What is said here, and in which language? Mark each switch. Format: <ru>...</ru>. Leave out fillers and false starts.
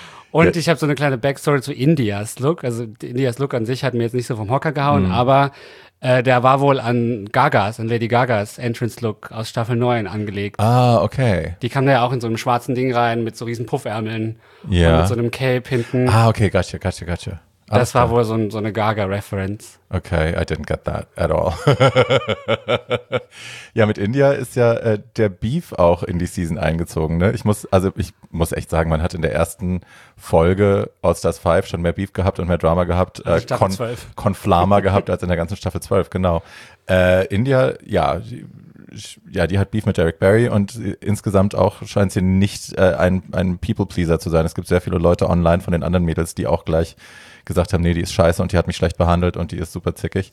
<de>Und ich habe so eine kleine Backstory zu Indias Look. Also Indias Look an sich hat mir jetzt nicht so vom Hocker gehauen, aber der war wohl an Lady Gagas Entrance Look aus Staffel 9 angelegt. Ah, okay. Die kam da ja auch in so einem schwarzen Ding rein mit so riesen Puffärmeln und mit so einem Cape hinten.</de> <en>Ah, okay, gotcha.</en> <de>Das war wohl so eine Gaga-Reference.</de> <en>Okay, I didn't get that at all.</en> <de>Ja, mit India ist ja der Beef auch in die Season eingezogen. Ne? Ich muss echt sagen, man hat in der ersten Folge All Stars 5 schon mehr Beef gehabt und mehr Drama gehabt. Konflama gehabt als in der ganzen Staffel 12, genau. India, die hat Beef mit Derek Barry und insgesamt auch scheint sie nicht ein People-Pleaser zu sein. Es gibt sehr viele Leute online von den anderen Mädels, die auch gleich gesagt haben, nee, die ist scheiße und die hat mich schlecht behandelt und die ist super zickig.</de>